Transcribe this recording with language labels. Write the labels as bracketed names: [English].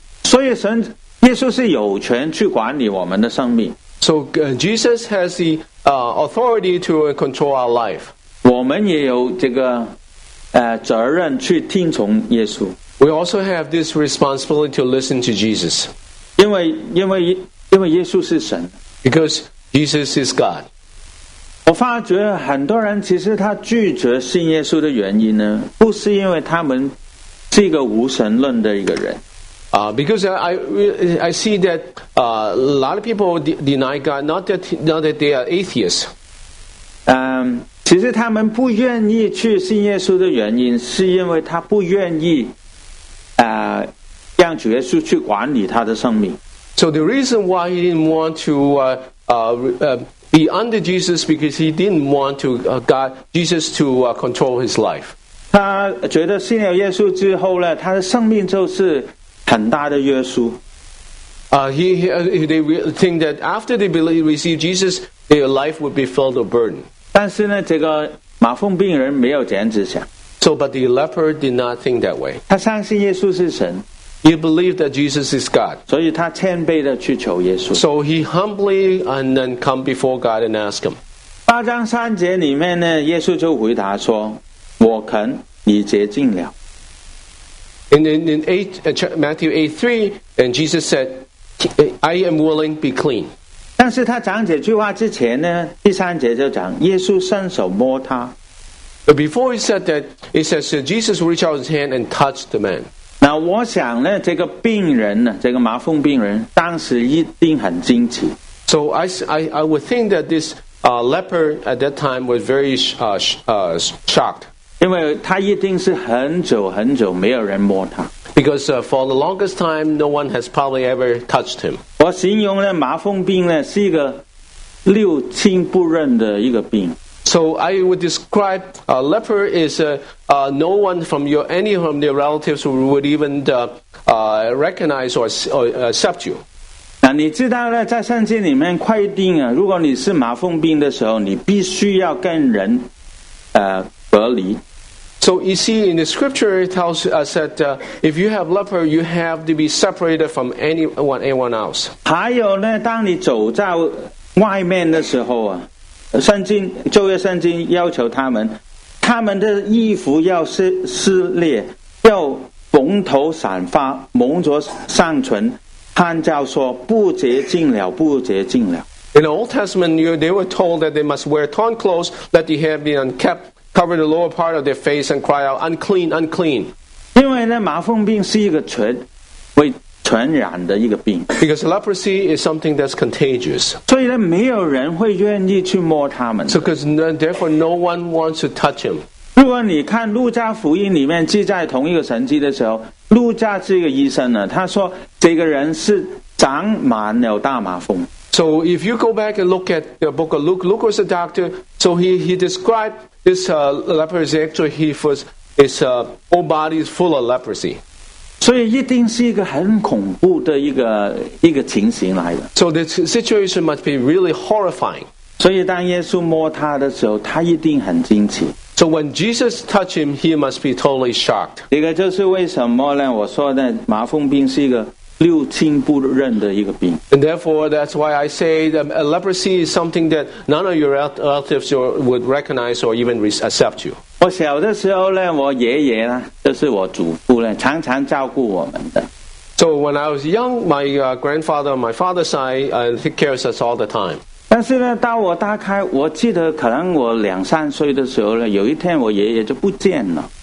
[Chinese] 所以神耶稣是有权去管理我们的生命。 [English] So Jesus has the authority to control our life. [Chinese] 我们也有这个责任去听从耶稣。 [English] We also have this responsibility to listen to Jesus. [Chinese] 因为耶稣是神。 [English] Because Jesus is God. [Chinese] 我发觉很多人其实他拒绝信耶稣的原因呢，不是因为他们是一个无神论的一个人。 [English] Because I see that a lot of people deny God, not that they are atheists. [Chinese] 其实他们不愿意去信耶稣的原因是因为他不愿意让主耶稣去管理他的生命。 [English] So the reason why he didn't want to be under Jesus because he didn't want to God Jesus to control his life. [Chinese] 他觉得信了耶稣之后呢，他的生命就是很大的约束。 [English] They think that after they believe receive Jesus, their life would be filled with burden. [Chinese] 但是呢，这个麻风病人没有这样子想。 [English] So, but the leper did not think that way. [Chinese] 他相信耶稣是神。 [English] He believed that Jesus is God. [Chinese] 所以他谦卑的去求耶稣。 [English] So he humbly and then come before God and ask him. [Chinese] 八章三节里面呢，耶稣就回答说。我肯，你洁净了。 [English] In Matthew 8:3, and Jesus said, "I am willing, be clean." [Chinese] 但但是他讲这句话之前呢，第三节就讲耶稣伸手摸他。 [English] But before he said that, he says Jesus reached out his hand and touched the man. [Chinese] 那我想呢，这个病人呢，这个麻风病人，当时一定很惊奇。 [English] So I would think that this leper at that time was very shocked. [Chinese] 因为他一定是很久很久没有人摸他。 [English] Because for the longest time, no one has probably ever touched him. [Chinese] 我形容呢，麻风病呢是一个六亲不认的一个病。 [English] So I would describe a leper is no one from your any of your relatives who would even recognize or accept you. [Chinese] 那你知道呢，在圣经里面规定啊，如果你是麻风病的时候，你必须要跟人隔离。 [English] So you see in the scripture it tells us that if you have leper, you have to be separated from anyone else. [Chinese] 还有呢，当你走在外面的时候啊。圣经旧约圣经要求他们的衣服要撕裂，要蓬头散发，蒙着上唇，喊叫说不洁净了，不洁净了。 [English] In the Old Testament, they were told that they must wear torn clothes, let the hair be unkept, cover the lower part of their face, and cry out, unclean, unclean. [Chinese] 因为呢，麻风病是一个传染的一个病。 [English] Because leprosy is something that's contagious. [Chinese] 所以呢，没有人会愿意去摸他们。 [English] So because therefore no one wants to touch him. [Chinese] 如果你看路加福音里面记载同一个神迹的时候，路加是一个医生呢，他说这个人是长满了大麻风。 [English] So if you go back and look at the book of Luke, Luke was a doctor, so he described this leprosy, actually he was, his whole body is full of leprosy. [Chinese] 所以一定是一个很恐怖的一个情形来的。 [English] So the situation must be really horrifying. [Chinese] 所以当耶稣摸他的时候，他一定很惊奇。 [English] So when Jesus touched him, he must be totally shocked. [Chinese] 这个就是为什么呢？我说呢，麻风病是一个六亲不认的一个病。 [English] And therefore, that's why I say that leprosy is something that none of your relatives would recognize or even accept you. [Chinese] 我小的时候呢，我爷爷呢，就是我祖父呢，常常照顾我们的。 [English] So when I was young, my grandfather, my father's side, he cares us all the time. [Chinese] 但是呢，当我大概，我记得可能我两三岁的时候呢，有一天我爷爷就不见了。